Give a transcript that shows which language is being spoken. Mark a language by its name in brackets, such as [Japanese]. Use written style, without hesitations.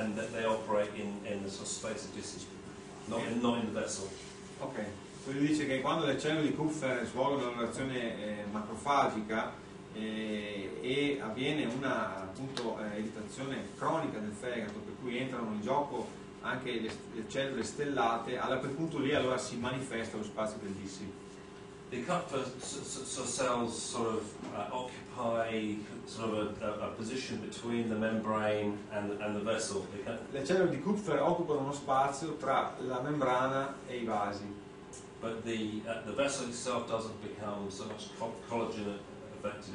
[English] And that they operate in the sort of space of distance, not in the vessel. Okay. [Italian] So lui dice che quando le cellule di Kupffer svolgono una reazione macrofagica e avviene una appunto irritazione cronica del fegato, per cui entrano in gioco anche le cellule stellate, allora per punto lì allora si manifesta lo spazio del DC. [English] the Kapha cells sort of occupy sort of a position between the membrane and the vessel. [Italian] Le cellule di Kupfer occupano uno spazio tra la membrana e I vasi. [English] But the vessel itself doesn't become so much collagen affected.